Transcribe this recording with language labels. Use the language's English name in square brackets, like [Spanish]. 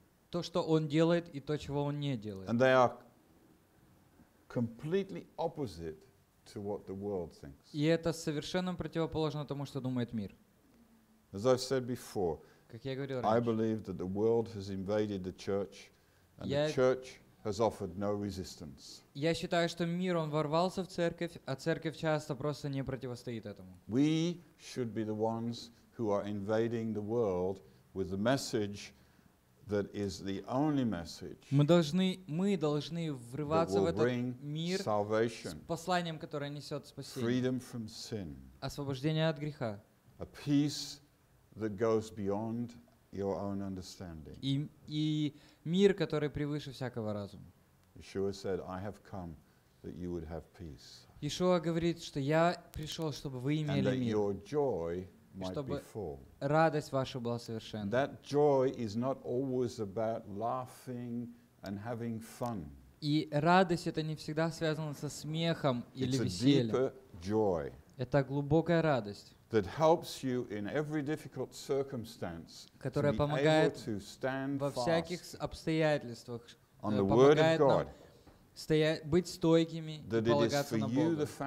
[Russian] то, что он делает, и то, чего он не делает. [English] And they are completely opposite to what the world thinks. [Russian] И это совершенно противоположно тому, что думает мир. [English] As I've said before, I believe that the world has invaded the church, and the church has offered no resistance. [Russian] Я считаю, что мир он ворвался в церковь, а церковь часто просто не противостоит этому. [English] We should be the ones who are invading the world with the message that is the only message. [Russian] Мы должны врываться в этот мир [English] salvation, [Russian] с посланием, которое несет спасение, [English] freedom from sin, [Russian] освобождение от греха, [English] a peace that goes beyond your own understanding. [Russian] И мир, который превыше всякого разума. [English] Yeshua said, I have come that you would have peace. [Russian] Yeshua говорит, что я пришел, чтобы вы имели мир. [English] And that your joy [Russian] чтобы радость ваша была совершенна. [English] That joy is not always about laughing and having fun. [Russian] И радость это не всегда связано со смехом или весельем. Это глубокая радость. [English] That helps you in every difficult circumstance. [Russian] Которая помогает во всяких обстоятельствах. Помогает нам быть стойкими и полагаться на Бога.